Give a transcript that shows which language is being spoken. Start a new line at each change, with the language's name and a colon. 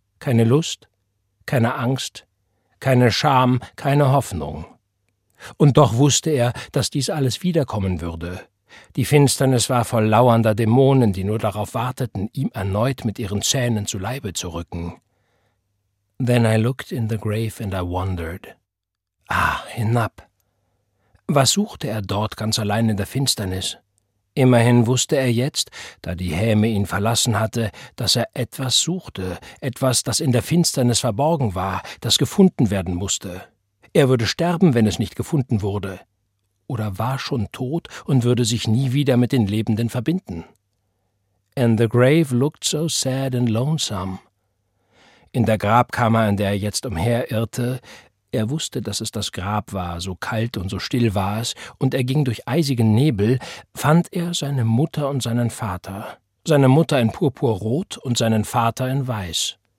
German: Keine Lust, keine Angst, keine Scham, keine Hoffnung. Und doch wusste er, dass dies alles wiederkommen würde. Die Finsternis war voll lauernder Dämonen, die nur darauf warteten, ihm erneut mit ihren Zähnen zu Leibe zu rücken.
English: Then I looked in the grave and I wondered.
German: Ah, hinab! Was suchte er dort ganz allein in der Finsternis? Immerhin wusste er jetzt, da die Häme ihn verlassen hatte, dass er etwas suchte, etwas, das in der Finsternis verborgen war, das gefunden werden musste. Er würde sterben, wenn es nicht gefunden wurde. Oder war schon tot und würde sich nie wieder mit den Lebenden verbinden.
English: And the grave looked so sad and lonesome.
German: In der Grabkammer, in der er jetzt umherirrte, er wusste, dass es das Grab war, so kalt und so still war es, und er ging durch eisigen Nebel, fand er seine Mutter und seinen Vater. Seine Mutter in purpurrot und seinen Vater in weiß.